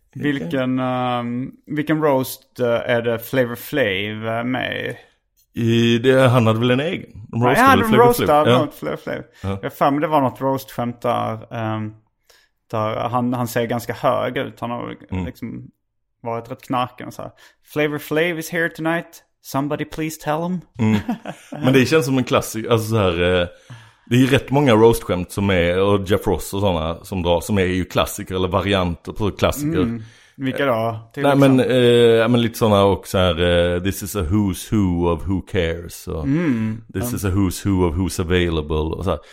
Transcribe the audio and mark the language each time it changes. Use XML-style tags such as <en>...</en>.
<sv>Vilken, vilken roast är det Flavor Flav med? Han hade väl en egen? De roastade, ja, Flavor Flav. Ja, Flavor Flav. Ja. Ja, det var något roast-skämt där han ser ganska hög ut. Han har liksom varit rätt knarken och så här.</sv> <en>Flavor Flav is here tonight. Somebody please tell him.</en> <sv>Men det känns som en klassik. Alltså så här... Det är ju rätt många roast-skämt som är, och Jeff Ross och sådana som drar, som är ju klassiker eller varianter på klassiker. Mm. Vilka då? Nej, men, lite sådana också här,</sv> <en>this is a who's who of who cares,</en> <sv>och</sv> <en>this is a who's who of who's available,</en> <sv>och så här.</sv>